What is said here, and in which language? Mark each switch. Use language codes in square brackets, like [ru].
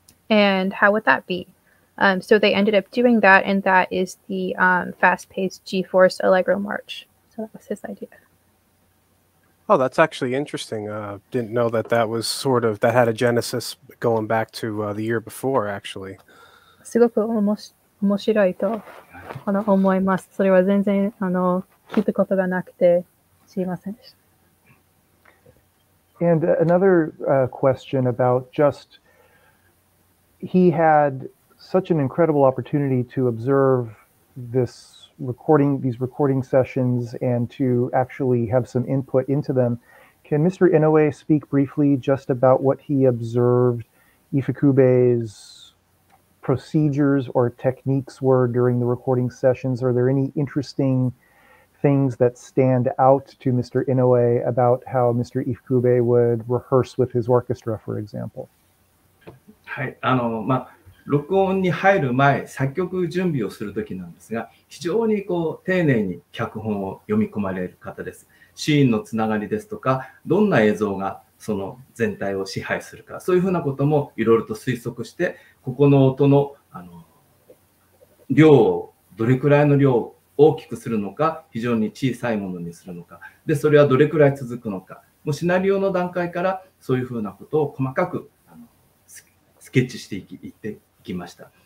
[en] And how would that be? So they ended up doing that, and that is the fast-paced G-Force Allegro March. So that was his idea. Oh, that's actually interesting. Didn't know that that was sort of, that had a genesis going back to the year before, actually. [ja] すごく面白いと思います。それは全然あの聞いたことがなくて知りませんでした。 [en] And another question about just, he had such an incredible opportunity to observe this recording, these recording sessions, and to actually have some input into them. Can Mr. Inoue speak briefly just about what he observed Ifukube's procedures or techniques were during the recording sessions? Are there any interesting things that stand out to Mr. Inoue about how Mr. Ifukube would rehearse with his orchestra, for example? [ja] はい、あのまあ録音に入る前、作曲準備をする時なんですが、非常にこう丁寧に脚本を読み込まれる方です。シーンのつながりですとか、どんな映像がその全体を支配するか、そういうふうなこともいろいろと推測して、ここの音の、 あの量をどれくらいの量を大きくするのか、非常に小さいものにするのか、でそれはどれくらい続くのか、もうシナリオの段階からそういうふうなことを細かくスケッチしていき、行っていきました。